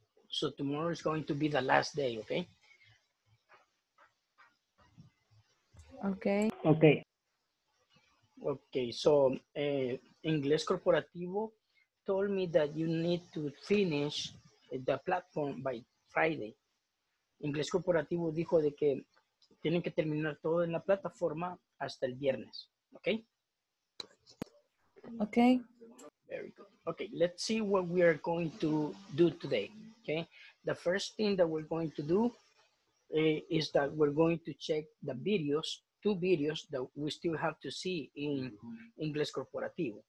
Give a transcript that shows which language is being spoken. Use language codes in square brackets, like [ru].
[en] So tomorrow is going to be the last day, okay? Okay. Okay. Okay, so Ingles Corporativo told me that you need to finish the platform by Friday. [es] Ingles Corporativo dijo de que tienen que terminar todo en la plataforma hasta el viernes. [en] Okay? Okay. Very good. Okay, let's see what we are going to do today. Okay? The first thing that we're going to do is that we're going to check the videos. Two videos that we still have to see in Ingles Corporativo.